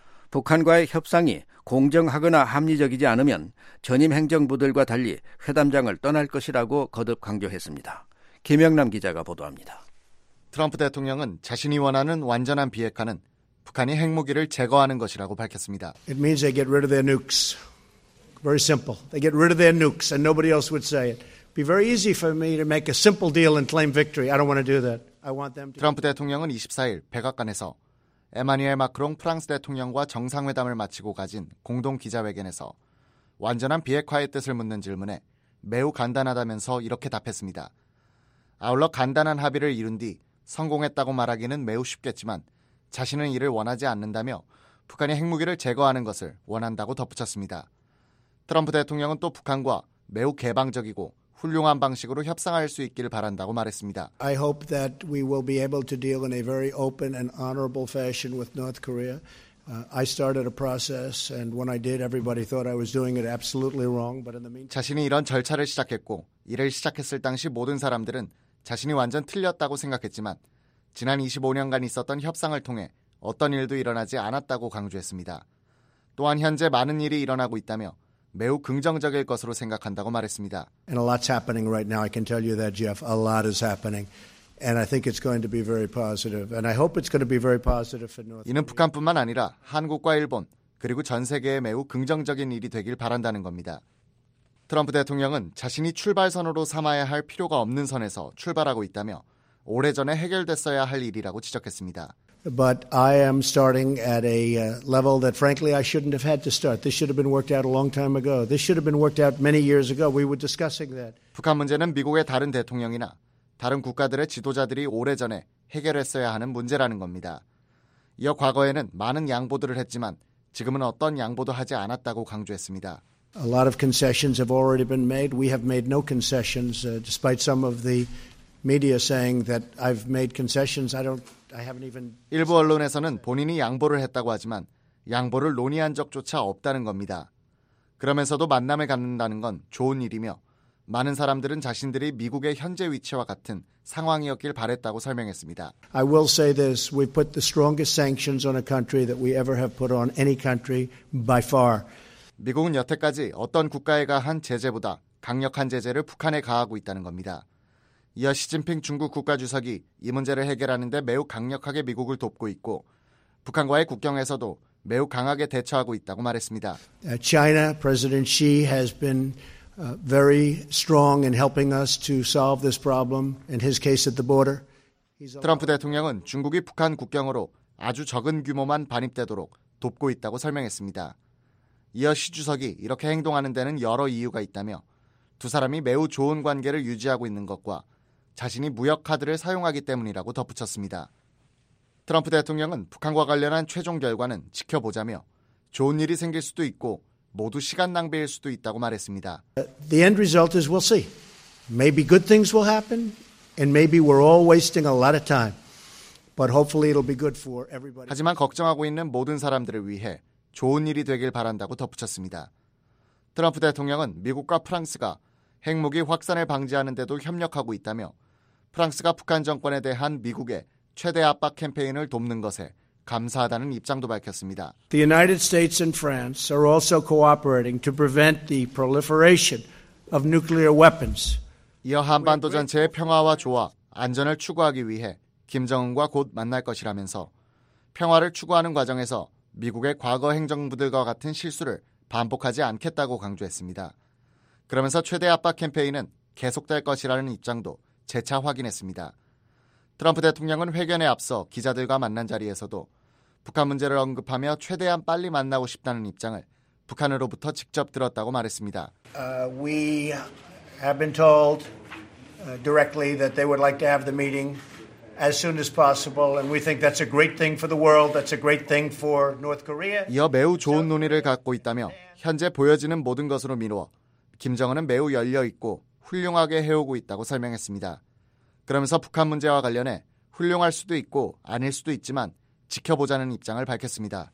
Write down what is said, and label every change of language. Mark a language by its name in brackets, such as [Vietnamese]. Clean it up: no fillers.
[Korean] 북한과의 협상이 공정하거나 합리적이지 않으면 전임 행정부들과 달리 회담장을 떠날 것이라고 거듭 강조했습니다. 김영남 기자가 보도합니다. 트럼프 대통령은 자신이 원하는 완전한 비핵화는 북한이 핵무기를 제거하는 것이라고 밝혔습니다. [English] It means they get rid of their nukes. Very simple. They get rid of their nukes and nobody else would say it. Be very easy for me to make a simple deal and claim victory. I don't want to do that. I want them to [Korean] 트럼프 대통령은 24일 백악관에서 에마뉘엘 마크롱 프랑스 대통령과 정상회담을 마치고 가진 공동 기자회견에서 완전한 비핵화의 뜻을 묻는 질문에 매우 간단하다면서 이렇게 답했습니다. 아울러 간단한 합의를 이룬 뒤 성공했다고 말하기는 매우 쉽겠지만 자신은 이를 원하지 않는다며 북한이 핵무기를 제거하는 것을 원한다고 덧붙였습니다. 트럼프 대통령은 또 북한과 매우 개방적이고 훌륭한 방식으로 협상할 수 있기를 바란다고 말했습니다. [English] I hope that we will be able to deal in a very open and honorable fashion with North Korea. I started a process and when I did everybody thought I was doing it absolutely wrong, but in the meantime [Korean] 자신이 이런 절차를 시작했고 이를 시작했을 당시 모든 사람들은 자신이 완전 틀렸다고 생각했지만 지난 25년간 있었던 협상을 통해 어떤 일도 일어나지 않았다고 강조했습니다. 또한 현재 많은 일이 일어나고 있다며 매우 긍정적일 것으로 생각한다고 말했습니다. [English] And a lot's happening right now. I can tell you that, Jeff. A lot is happening. And I think it's going to be very positive. And I hope it's going to be very positive for North. [Korean] 이는 북한뿐만 아니라 한국과 일본, 그리고 전 세계에 매우 긍정적인 일이 되길 바란다는 겁니다. 트럼프 대통령은 자신이 출발선으로 삼아야 할 필요가 없는 선에서 출발하고 있다며 오래전에 해결됐어야 할 일이라고 지적했습니다. [English] But I am starting at a level that frankly I shouldn't have had to start. This should have been worked out a long time ago. This should have been worked out many years ago. We were discussing that. [Korean] 북한 문제는 미국의 다른 대통령이나 다른 국가들의 지도자들이 오래전에 해결했어야 하는 문제라는 겁니다. 이어 과거에는 많은 양보들을 했지만 지금은 어떤 양보도 하지 않았다고 강조했습니다. [English] A lot of concessions have already been made. We have made no concessions despite some of the media saying that I've made concessions. I haven't even [Korean] 일부 언론에서는 본인이 양보를 했다고 하지만 양보를 논의한 적조차 없다는 겁니다. 그러면서도 만남을 갖는다는 건 좋은 일이며 많은 사람들은 자신들이 미국의 현재 위치와 같은 상황이었길 바랬다고 설명했습니다. [English] I will say this. We put the strongest sanctions on a country that we ever have put on any country by far. [Korean] 미국은 여태까지 어떤 국가에가 한 제재보다 강력한 제재를 북한에 가하고 있다는 겁니다. 이어 시진핑 중국 국가주석이 이 문제를 해결하는 데 매우 강력하게 미국을 돕고 있고 북한과의 국경에서도 매우 강하게 대처하고 있다고 말했습니다. [English] China, President Xi has been very strong in helping us to solve this problem in his case at the border. [Korean] 트럼프 대통령은 중국이 북한 국경으로 아주 적은 규모만 반입되도록 돕고 있다고 설명했습니다. 이어 시 주석이 이렇게 행동하는 데는 여러 이유가 있다며 두 사람이 매우 좋은 관계를 유지하고 있는 것과 자신이 무역 카드를 사용하기 때문이라고 덧붙였습니다. 트럼프 대통령은 북한과 관련한 최종 결과는 지켜보자며 좋은 일이 생길 수도 있고 모두 시간 낭비일 수도 있다고 말했습니다. [English] The end result is we'll see. Maybe good things will happen and maybe we're all wasting a lot of time. But hopefully it'll be good for everybody. [Korean] 하지만 걱정하고 있는 모든 사람들을 위해 좋은 일이 되길 바란다고 덧붙였습니다. 트럼프 대통령은 미국과 프랑스가 핵무기 확산을 방지하는 데도 협력하고 있다며 프랑스가 북한 정권에 대한 미국의 최대 압박 캠페인을 돕는 것에 감사하다는 입장도 밝혔습니다. [English] The United States and France are also cooperating to prevent the proliferation of nuclear weapons. [Korean] 이어 한반도 전체의 평화와 조화, 안전을 추구하기 위해 김정은과 곧 만날 것이라면서 평화를 추구하는 과정에서 미국의 과거 행정부들과 같은 실수를 반복하지 않겠다고 강조했습니다. 그러면서 최대 압박 캠페인은 계속될 것이라는 입장도 재차 확인했습니다. 트럼프 대통령은 회견에 앞서 기자들과 만난 자리에서도 북한 문제를 언급하며 최대한 빨리 만나고 싶다는 입장을 북한으로부터 직접 들었다고 말했습니다. [English] We have been told directly that they would like to have the meeting as soon as possible, and we think that's a great thing for the world. That's a great thing for North Korea. [Korean] 이어 매우 좋은 논의를 갖고 있다며 현재 보여지는 모든 것으로 미루어 김정은은 매우 열려 있고 훌륭하게 해오고 있다고 설명했습니다. 그러면서 북한 문제와 관련해 훌륭할 수도 있고 아닐 수도 있지만 지켜보자는 입장을 밝혔습니다.